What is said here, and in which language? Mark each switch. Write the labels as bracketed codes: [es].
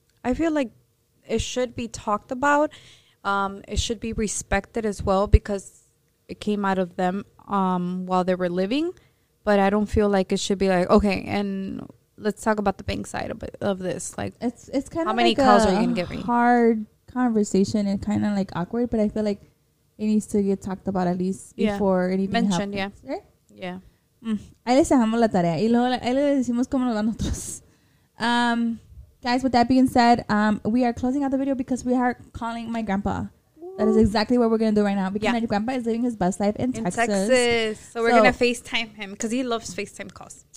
[en] I feel like it should be talked about. It should be respected as well because it came out of them while they were living. But I don't feel like it should be like, okay, and let's talk about the bank side of this. Like, it's kind of like calls are you gonna give me? Hard conversation and kind of like awkward. But I feel like it needs to get talked about at least before anything mentioned, happens. Yeah. Right? Yeah. [es] Ahí les dejamos la tarea. Y luego ahí les decimos cómo nos van nosotros. [en] Guys, with that being said, we are closing out the video because we are calling my grandpa. Ooh. That is exactly what we're going to do right now. Because my grandpa is living his best life in Texas. So we're going to FaceTime him because he loves FaceTime calls.